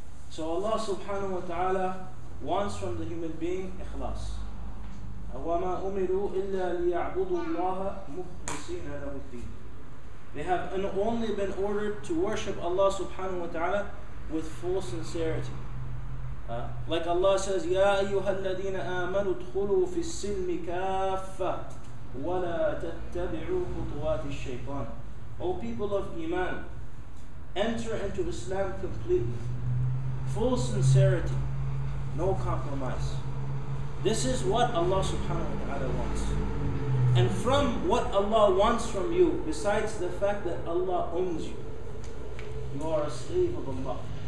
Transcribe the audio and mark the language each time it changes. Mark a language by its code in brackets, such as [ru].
[en] So Allah subhanahu wa ta'ala wants from the human being ikhlas. [ar] وَمَا أُمِرُوا إِلَّا لِيَعْبُدُوا اللَّهَ مُخْلِصِينَ لَهُ الدِّينَ. [en] They have only been ordered to worship Allah subhanahu wa ta'ala with full sincerity. Like Allah says, [ar] يَا أَيُّهَا الَّذِينَ آمَنُوا ادْخُلُوا فِي السِّلْمِ كَافَّةٌ وَلَا تَتَّبِعُوا خُطُوَاتِ الشَّيْطَانِ. [en] O people of Iman, enter into Islam completely. Full sincerity, no compromise. This is what Allah subhanahu wa ta'ala wants. And from what Allah wants from you, besides the fact that Allah owns you, you are a slave of Allah.